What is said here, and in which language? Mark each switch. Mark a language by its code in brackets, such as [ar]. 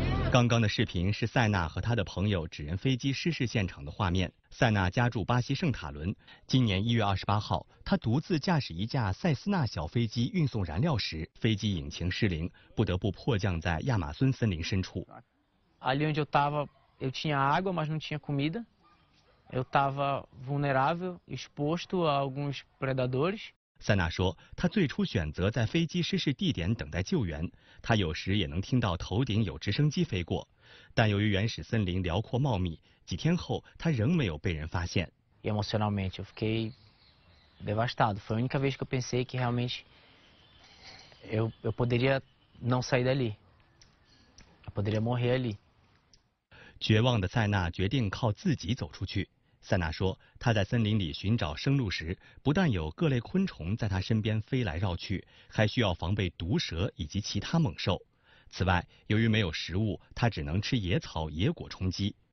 [zh] 刚刚的视频是塞纳和他的朋友纸人飞机失事现场的画面。塞纳家住巴西圣塔伦，今年1月28号，他独自驾驶一架塞斯纳小飞机运送燃料时，飞机引擎失灵，不得不迫降在亚马孙森林深处。 [pt] Ali onde eu estava, eu tinha água, mas não tinha comida. Eu estava vulnerável, exposto a alguns predadores. [zh] 塞纳说，他最初选择在飞机失事地点等待救援。他有时也能听到头顶有直升机飞过，但由于原始森林辽阔茂密，几天后他仍没有被人发现。 [pt] Emocionalmente, eu fiquei devastado. Foi a única vez que eu pensei que realmente eu poderia não sair dali. Eu poderia morrer ali. [zh] 绝望的塞纳决定靠自己走出去。塞纳说，他在森林里寻找生路时，不但有各类昆虫在他身边飞来绕去，还需要防备毒蛇以及其他猛兽。此外，由于没有食物，他只能吃野草、野果充饥。